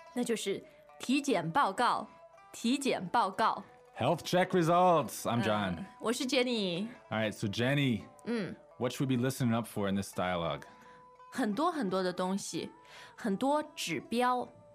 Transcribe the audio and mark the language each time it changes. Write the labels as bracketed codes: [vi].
[zh] 那就是体检报告。体检报告。 [en] Health check results. I'm John. [zh] 我是Jenny. [en] All right, so Jenny, what should we be listening up for in this dialogue? [zh] 很多很多的东西,很多指标。